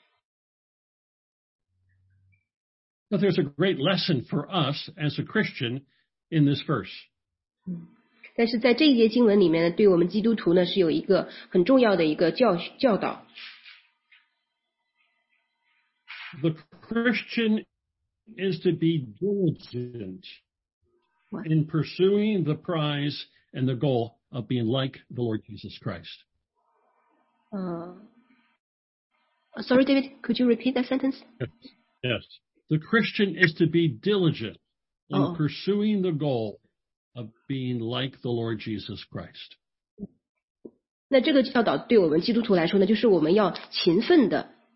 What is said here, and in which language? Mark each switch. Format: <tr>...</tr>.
<zh>所以呢，这就是我们作为基督徒生活的目标了，就是要努力的朝着这种属灵的成熟度，朝着主耶稣基督的这样的样式啊，他的这个圣洁的程度去努力，去追求，这就是我们基督徒所追求的目标。</zh> <en>But there's a great lesson for us as a Christian in this verse.</en> <zh>但是在这一节经文里面呢，对我们基督徒呢是有一个很重要的一个教导。</zh> <en>The Christian is to be diligent in pursuing the prize and the goal of being like the Lord Jesus Christ. Sorry, David, could you repeat that sentence? Yes. The Christian is to be diligent in pursuing the goal of being like the Lord Jesus Christ.</en> <zh>那这个教导对我们基督徒来说呢，就是我们要勤奋的。</zh>